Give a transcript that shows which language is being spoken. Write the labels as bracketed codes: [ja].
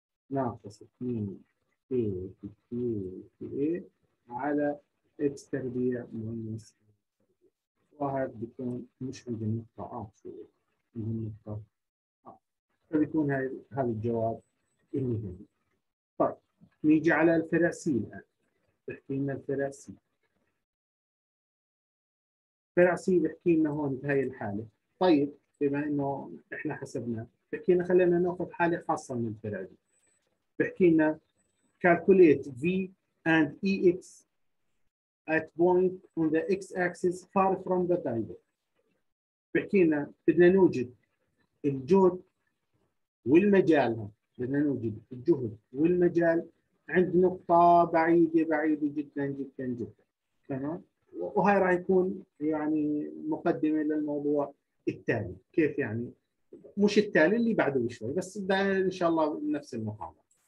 [ar] ناقص 2 A في Q في A على X تربيع minus A تربيع، وهذا بيكون مش عند النقطة R في A، عند النقطة R، فبيكون هذا الجواب النهائي. طيب نيجي على الفرع C الآن، بحكي لنا الفرع C. فرع C بحكي لنا هون بهي الحالة، طيب بما إنه إحنا حسبنا، بحكي لنا خلينا ناخذ حالة خاصة من الفرع دي. بحكي لنا [en] calculate V and EX at point on the X axis far from the diagonal. [ar] بحكي لنا بدنا نوجد الجهد والمجال، بدنا نوجد الجهد والمجال عند نقطة بعيدة بعيدة جدا جدا جدا، تمام؟ وهي راح يكون يعني مقدمة للموضوع التالي، كيف يعني؟ مش التالي اللي بعده بشوي، بس ان شاء الله نفس المحاضرة.